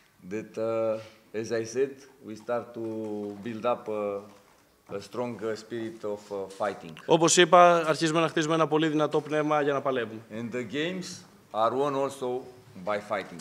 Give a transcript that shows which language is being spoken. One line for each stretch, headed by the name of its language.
English: That, as I said, we start to build up a strong spirit of fighting.
Greek: Όπως είπα, αρχίζουμε να χτίζουμε ένα πολύ δυνατό πνεύμα για να παλεύουμε.
English: And the games are won also by fighting.